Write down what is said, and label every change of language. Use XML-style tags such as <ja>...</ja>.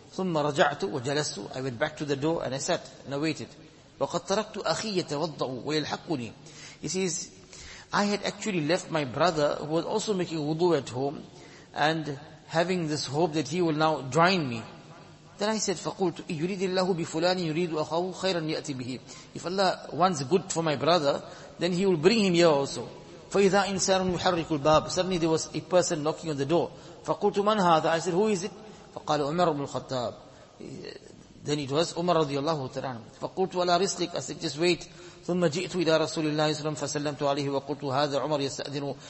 <ar>ثُمَّ رَجَعْتُ وَجَلَسْتُ.</ar> <en>I went back to the door and I sat and I waited.</en> <ar>وَقَدْ تَرَكْتُ أَخِي يَتَوَضَّعُ وَيَلْحَقُّنِي.</ar> <en>He says, I had actually left my brother who was also making wudu at home and having this hope that he will now join me. Then I said,</en> <ar>فَقُولْتُ يُرِيدِ اللَّهُ بِفُلَانِ يُرِيدُ أَخَاهُ خَيْرًا يَأْتِ بِهِ.</ar> <en>If Allah wants good for my brother, then he will bring him here also.</en> <ar>فَإِذَا إِنسَانٌ يُحَرِّكُ الْبَابِ.</ar> <en>Suddenly there was a person knocking on the door.</en> <ar>فَقُلْتُ مَنْ هَذَا.</ar> <en>I said, who is it?</en> <ar>فَقَالَ عُمَرُ بْنُ الْخَطَّابِ.</ar> <en>Then it was Umar radiallahu ta'ala anhu.</en> <ar>فَقُلْتُ عَلَى رِسْلِكَ.</ar> <en>I said, just wait.</en> <ar>ثُمَّ جِئْتُ إِلَى رَسُولِ اللَّهِ صَلَّى اللَّهُ عَلَيْهِ وَسَلَّمَ وَقُلْتُ هَذَا عُمَرُ يَسْتَأْذِنُ.</ar>